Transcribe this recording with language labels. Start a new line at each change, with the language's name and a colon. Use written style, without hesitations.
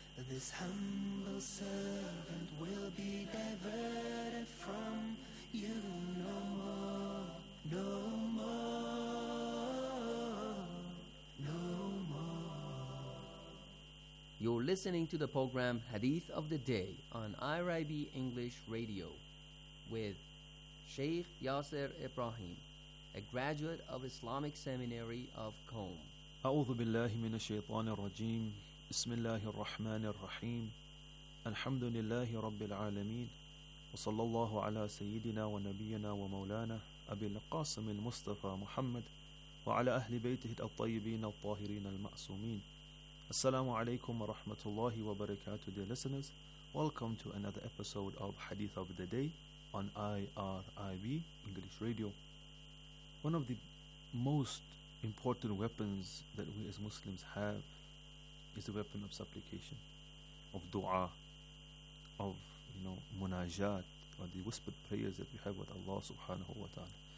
English: This humble servant will be diverted from you no more, no more, no more. You're listening to the program Hadith of the Day on IRIB English Radio with Sheikh Yasser Ibrahim, a graduate of Islamic Seminary of Qom.
Arabic: A'udhu billahi min ash-shaytanir rajim. بسم الله الرحمن الرحيم الحمد لله رب العالمين وصلى الله على سيدنا ونبينا ومولانا أبي القاسم المصطفى محمد وعلى أهل بيته الطيبين الطاهرين المعصومين. السلام عليكم ورحمة الله وبركاته.
English: Dear listeners, welcome to another episode of Hadith of the Day on IRIB English Radio. One of the most important weapons that we as Muslims have is the weapon of supplication, of dua, of, you know, munajat, or the whispered prayers that we have with Allah subhanahu wa ta'ala.